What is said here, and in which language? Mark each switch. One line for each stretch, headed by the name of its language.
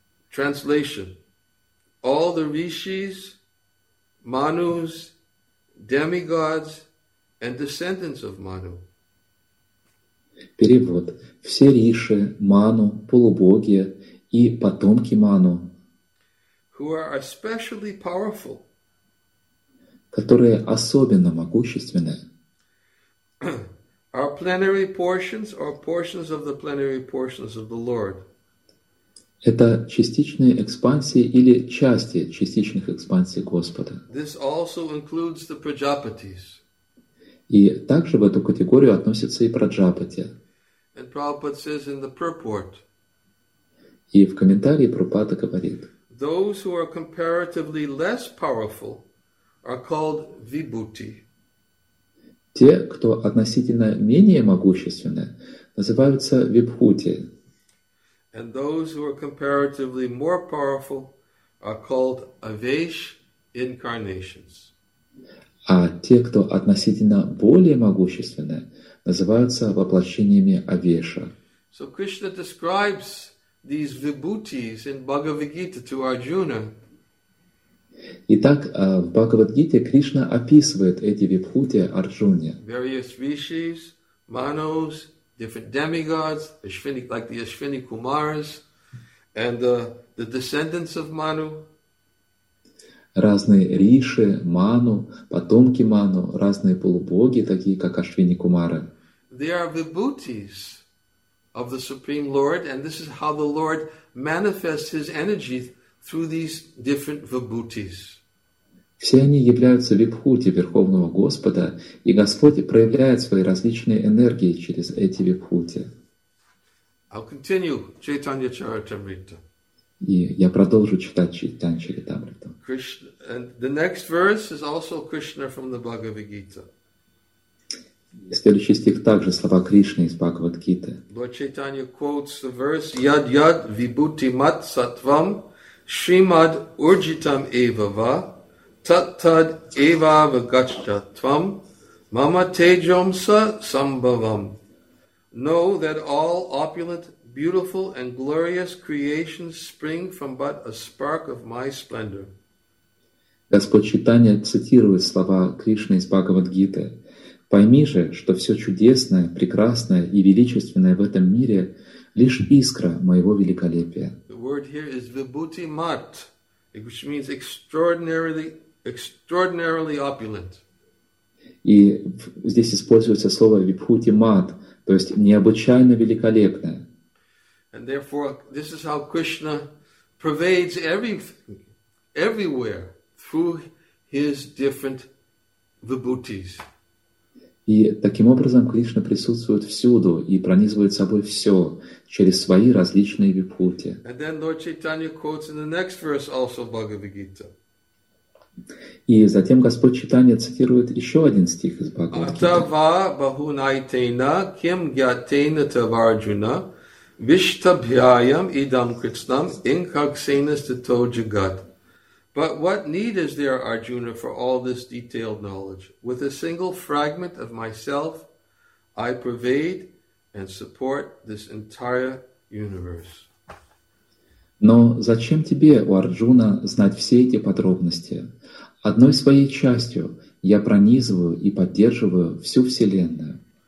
English: Translation. All the rishis, manus, demigods, and descendants of Manu.
Russian: Перевод. Все риши, ману, полубоги и потомки ману.
English: Who are especially powerful.
Russian: Которые особенно могущественны.
English: Our plenary portions or portions of the plenary portions of the Lord.
Russian: Это частичные экспансии или части частичных экспансий Господа.
English: This also includes the prajapatis.
Russian: И также в эту категорию относятся и праджапати.
English: And Prabhupada says in the purport.
Russian: И в комментарии Прабхупада говорит.
English: Those who are comparatively less powerful are called vibhuti.
Russian: Те, кто относительно менее могущественны, называются випхути.
English: And those who are comparatively more powerful are called avesh incarnations.
Russian: А те, кто относительно более могущественны, называются воплощениями авеша.
English: So Krishna describes these vibhutis in Bhagavad Gita to Arjuna.
Russian: Итак, в Бхагавад-гите Кришна описывает эти випхути Арджуне.
English: Various rishis, manos, different demigods, like the Ashwini Kumaras, and the descendants of Manu.
Russian: Разные риши, ману, потомки ману, разные полубоги, такие как Ашвини Кумары.
English: They are vibhutis of the Supreme Lord, and this is how the Lord manifests his energy through these different vibhutis.
Russian: Все они являются випхути Верховного Господа, и Господь проявляет свои различные энергии через эти випхути.
English: I'll continue Chaitanya Charitamrita.
Russian: И я продолжу читать Чайтанья Чаритамриту.
English: And the next verse is also Krishna from the Bhagavad Gita.
Russian: Следующий стих также слова Кришны из Бхагавад Гиты.
English: Lord Chaitanya quotes the verse
Sanskrit: Yad Yad Vibhuti Mat Satvam Shrimad Urjitam Evava Tattad Eva Vagachatvam Mama Tejomsa Sambhavam.
English: Know that all opulent, beautiful, and glorious creations spring from but a spark of my splendor.
Russian: Господь Читания цитирует слова Кришны из Бхагавад-гиты. Пойми же, что все чудесное, прекрасное и величественное в этом мире — лишь искра моего великолепия.
English: The word here is vibhuti mat, which means extraordinarily opulent.
Russian: И здесь используется слово vibhuti mat, то есть необычайно великолепное.
English: And therefore, this is how Krishna pervades everything, everywhere. Through his different vibhutis.
Russian: И таким образом Кришна присутствует всюду и пронизывает собой все через свои различные вибхути.
English: And then Lord Chaitanya quotes in the next verse also Bhagavad Gita.
Russian: И затем Господь Читания цитирует еще один стих из Бхагавад-гиты.
Sanskrit: Атава бахунайтена ким гьятена таварджуна виштабхьяям идам кришнам инкаксенас тато джагат.
English: But what need is there, Arjuna, for all this detailed knowledge? With a single fragment of myself, I pervade and support this entire universe.
Russian: Но зачем тебе, у Арджуна, знать все эти подробности? Одной своей частью я пронизываю и поддерживаю всю Вселенную.